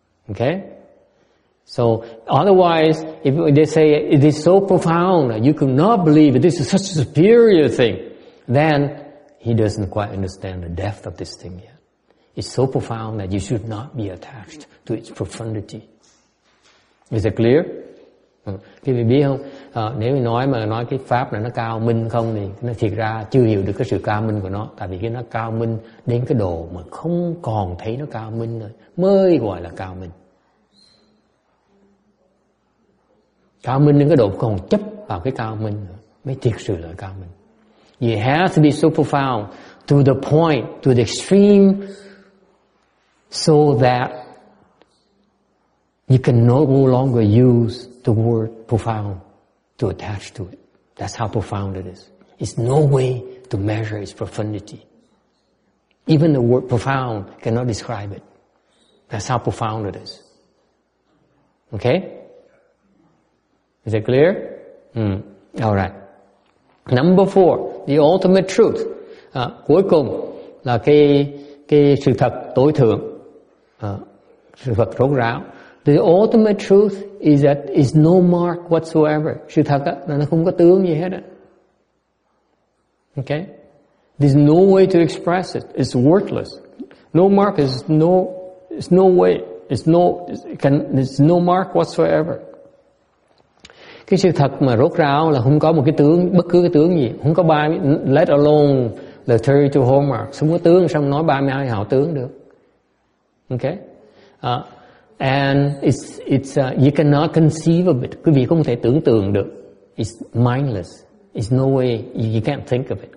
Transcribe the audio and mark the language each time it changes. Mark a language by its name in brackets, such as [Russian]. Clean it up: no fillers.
[English] Okay? So, otherwise, if they say it is so profound, you could not believe it, this is such a superior thing, then he doesn't quite understand the depth of this thing yet. It's so profound that you should not be attached to its profundity. Is it clear? [Vietnamese] Khi mình biết không? Nếu mình nói mà nói cái pháp này nó cao minh không thì nó thiệt ra chưa hiểu được cái sự cao minh của nó. Tại vì khi nó cao minh đến cái độ mà không còn thấy nó cao minh nữa mới gọi là cao minh. Cao minh đến cái độ không còn chấp vào cái cao minh nữa mới thiệt sự là cao minh. [English] You have to be so profound to the point, to the extreme, so that you can no longer use the word profound to attach to it. That's how profound it is. It's no way to measure its profundity. Even the word profound cannot describe it. That's how profound it is. Okay? Is that clear? All right. Number four, the ultimate truth. [Vietnamese] Cuối cùng là cái sự thật tối thượng. Sự thật rốt ráo. [English] The ultimate truth is that it's no mark whatsoever. [Vietnamese] Sự thật là nó không có tướng gì hết. [English] Okay? There's no way to express it. It's worthless. No mark is no, it's no way. It's no, it can, it's no mark whatsoever. [Vietnamese] Cái sự thật mà rốt ráo là không có một cái tướng, bất cứ cái tướng gì. Không có ba, [English] let alone the 32 hallmarks. [Vietnamese] Không có tướng, sao nói 32 hảo tướng được. Okay? [English] And you cannot conceive of it. [Vietnamese] Quý vị không thể tưởng tượng được. [English] It's mindless. It's no way you can't think of it.